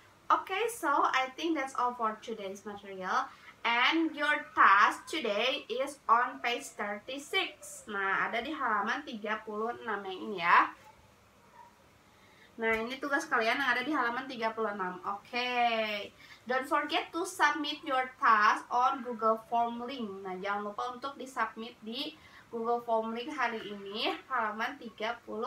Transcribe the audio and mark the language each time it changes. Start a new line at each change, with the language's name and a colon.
English: Okay, so I think that's all for today's material. And your task today is on page 36.
Indonesian: Nah, ada di halaman 36 yang ini ya. Nah, ini tugas kalian yang ada di halaman 36.
English: Okay. Don't forget to submit your task on Google Form link.
Indonesian: Nah, jangan lupa untuk di-submit di Google Form link hari ini, halaman 36.